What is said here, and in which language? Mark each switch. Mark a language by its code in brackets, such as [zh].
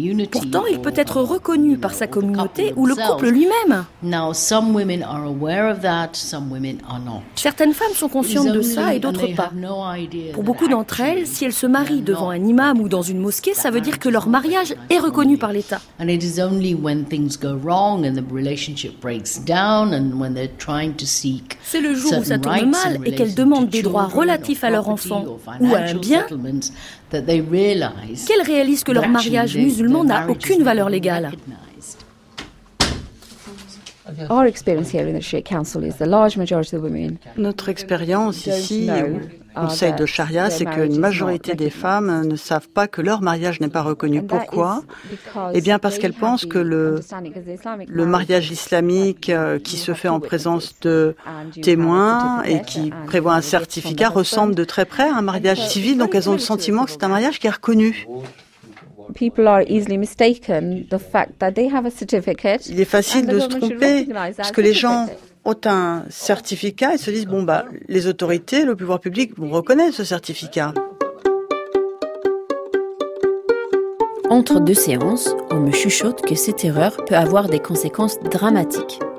[fr] Pourtant, il peut être reconnu par sa communauté ou le couple lui-même. Certaines femmes sont conscientes de ça et d'autres pas. Pour beaucoup d'entre elles, si elles se marient devant un imam ou dans une mosquée, ça veut dire que leur mariage est reconnu par l'État. [en] And it is only when things go wrong and the relationship breaks down and when they're trying to seek. [fr] C'est le jour où ça tourne mal et qu'elles demandent des droits relatifs à leur enfant ou à un bien qu'elles réalisent que leur mariage musulman n'a aucune valeur légale. [en] Our experience here in the Sheikh Council is the large majority of women. [fr] Notre expérience ici au Conseil de Sharia, c'est qu'une majorité des femmes ne savent pas que leur mariage n'est pas reconnu. Pourquoi ? Eh bien, parce qu'elles pensent que le mariage islamique qui se fait en présence de témoins et qui prévoit un certificat ressemble de très près à un mariage civil. Donc, elles ont le sentiment que c'est un mariage qui est reconnu. [en] People are easily mistaken the fact that they have a certificate. [fr] Il est facile de se tromper parce que les gens ont un certificat et se disent bon bah les autorités, le pouvoir public vont reconnaître ce certificat. Entre deux séances, on me chuchote que cette erreur peut avoir des conséquences dramatiques.